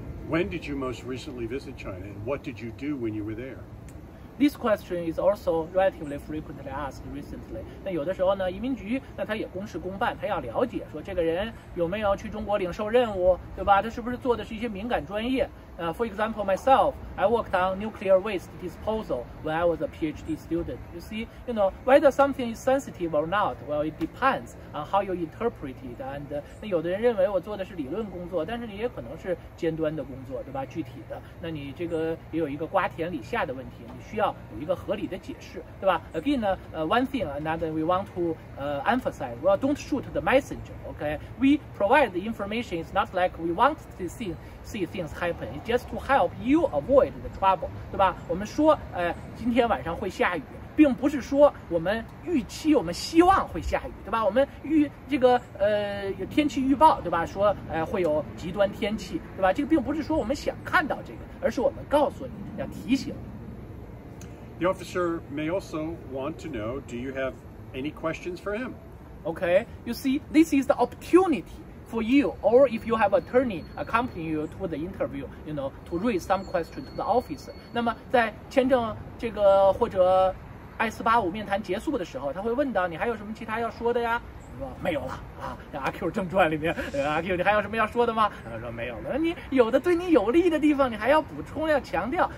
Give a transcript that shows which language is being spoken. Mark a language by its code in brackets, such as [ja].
[en] When did you most recently visit China, and what did you do when you were there? This question is also relatively frequently asked recently. [zh] 那有的时候呢，移民局那他也公事公办，他要了解说这个人有没有去中国领受任务，对吧？他是不是做的是一些敏感专业？ [en] For example, myself, I worked on nuclear waste disposal when I was a PhD student. You see, you know, whether something is sensitive or not, well, it depends on how you interpret it. And [zh] 那有的人认为我做的是理论工作，但是你也可能是尖端的工作，对吧？具体的，那你这个也有一个瓜田李下的问题，你需要有一个合理的解释，对吧 ？ [en] Again, one thing, another, we want to emphasize. Well, don't shoot the messenger. Okay, we provide the information. It's not like we want to see things happen. It's just to help you avoid the trouble, [zh] 对吧？我们说，今天晚上会下雨，并不是说我们预期、我们希望会下雨，对吧？我们天气预报，对吧？说，会有极端天气，对吧？这个并不是说我们想看到这个，而是我们告诉你，要提醒。 [en] The officer may also want to know, do you have any questions for him? Okay, you see, this is the opportunity. For you, or if you have attorney accompanying you to the interview, you know, to raise some question to the officer. [zh] 那么在签证这个或者I-485面谈结束的时候，他会问到你还有什么其他要说的呀？说没有了啊。阿 Q 正传里面，阿 Q 你还有什么要说的吗？他说没有了。你有的对你有利的地方，你还要补充要强调。